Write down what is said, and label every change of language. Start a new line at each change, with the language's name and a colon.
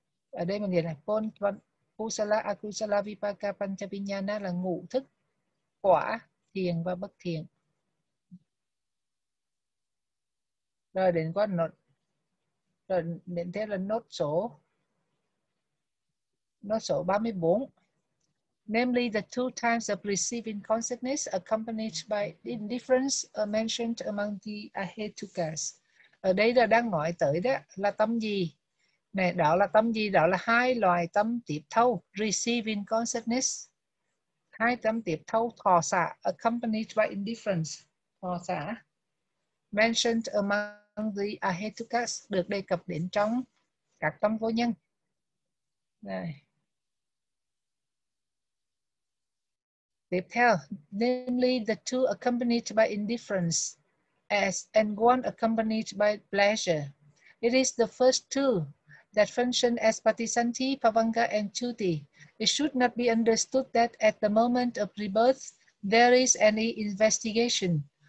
Vietnamese: Ở đây mình nghĩ là kusala akusala vipaka panchavinyana là ngũ thức quả thiện và bất thiện. Rồi đến con nốt, rồi đến theo là nốt số 34.
English: Namely, the 2 times of receiving consciousness accompanied by indifference are mentioned among the Ahetukas.
Vietnamese: Ở đây là đang nói tới đó là tâm gì? Này, đó là tâm gì? Đó là hai loài tâm tiếp thâu,
English: receiving consciousness.
Vietnamese: Hai tâm tiếp thâu thọ xả,
English: accompanied by indifference,
Vietnamese: thọ xả.
English: Mentioned among the Ahetukas,
Vietnamese: được đề cập đến trong các tâm vô nhân. Này. Tiếp theo,
English: namely the two accompanied by indifference as and one accompanied by pleasure. It is the first two that function as patisanti, pavanga and chuti. It should not be understood that at the moment of rebirth there is any investigation.